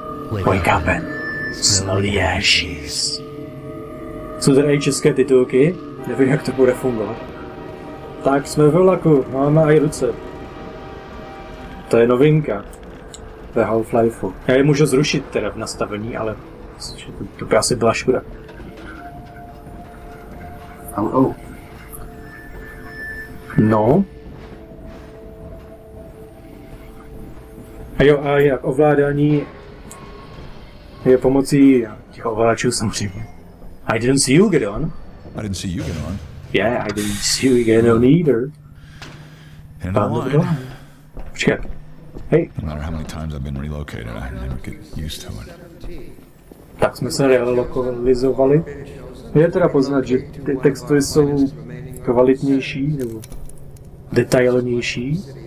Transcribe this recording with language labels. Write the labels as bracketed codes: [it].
[en] Wake up and smell the ashes. [cs] Jsou tady české titulky, nevím, jak to bude fungovat. Tak jsme ve vlaku, máme i ruce. To je novinka ve Half-Lifeu. Já je můžu zrušit teda v nastavení, ale to by asi byla škoda. [en] Hello. No. [cs] A jo, a jak ovládání je pomocí těch ovladačů samozřejmě. [en] I didn't see you get on. I didn't see you get on. Yeah, I didn't see you get on either. And on the line. [cs] Počkej. Hey. [en] No matter how many times I've been relocated, I never get used to it. [cs] Tak jsme se relokalizovali. Je teda poznat, že ty texty jsou kvalitnější nebo detailnější.